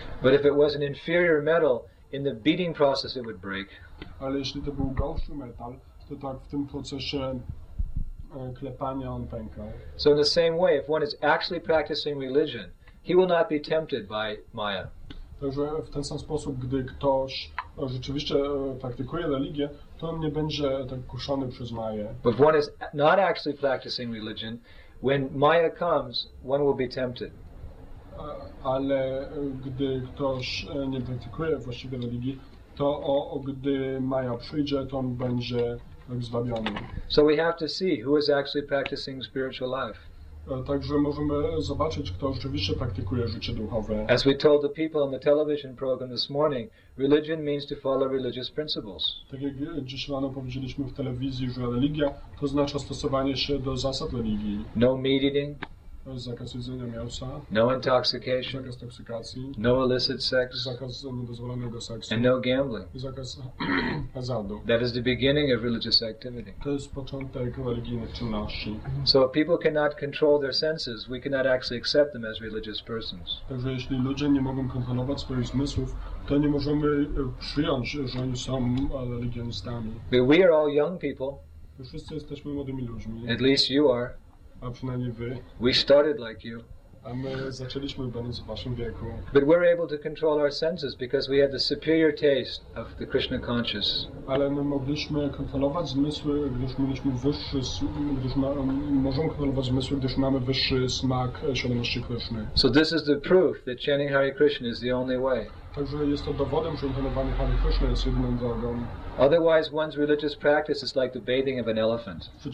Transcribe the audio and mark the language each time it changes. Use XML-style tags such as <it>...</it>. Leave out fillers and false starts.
<en>But if it was an inferior metal, in the beating process it would break.</en> <pl>Ale jeśli to był gorszy metal, to tak w tym procesie klepania on pękał.</pl> <en>So in the same way, if one is actually practicing religion, he will not be tempted by Maya.</en> <pl>Także w ten sam sposób, gdy ktoś rzeczywiście praktykuje religię, to on nie będzie tak kuszony przez Maję.</pl> <en>But if one is not actually practicing religion, when Maya comes, one will be tempted.</en> <pl>Ale gdy ktoś nie praktykuje właściwie religii, to gdy Maja przyjdzie, to on będzie zwabiony.</pl> <en>So we have to see who is actually practicing spiritual life.</en> <pl>Także możemy zobaczyć, kto rzeczywiście praktykuje życie duchowe.</pl> <en>As we told the people on the television program this morning, religion means to follow religious principles.</en> <pl>Tak jak dziś rano powiedzieliśmy w telewizji, że religia to znaczy stosowanie się do zasad religii.</pl> <en>No meat eating.</en> <pl>Zakaz jedzenia mięsa.</pl> <en>No intoxication.</en> <pl>Zakaz toksykacji.</pl> <en>No illicit sex.</en> <pl>Zakaz niedozwolonego seksu.</pl> <en>And no gambling.</en> <pl>Zakaz hazardu.</pl> <en>That is the beginning of religious activity.</en> <pl>To jest początek religijnych czynności.</pl> <en>So if people cannot control their senses, we cannot actually accept them as religious persons.</en> <pl>Także jeśli ludzie nie mogą kontrolować swoich zmysłów, to nie możemy przyjąć, że oni są religionistami.</pl> <en>But we are all young people.</en> <pl>My wszyscy jesteśmy młodymi ludźmi.</pl> <en>At least you are.</en> <pl>A przynajmniej wy.</pl> <en>We started like you.</en> <pl>A my zaczęliśmy będąc w waszym wieku.</pl> <en>But we're able to control our senses because we had the superior taste of the Krishna conscious.</en> <pl>Ale my mogliśmy kontrolować zmysły, gdyż mieliśmy wyższy, możemy kontrolować zmysły, gdyż mamy wyższy smak świadomości Krishny.</pl> <en>So this is the proof that chanting Hare Krishna is the only way.</en> <pl>Także jest to dowodem, że intonowanie Hare Krishna jest jedyną drogą.</pl> <en>Otherwise, one's religious practice is like the bathing of an elephant.</en>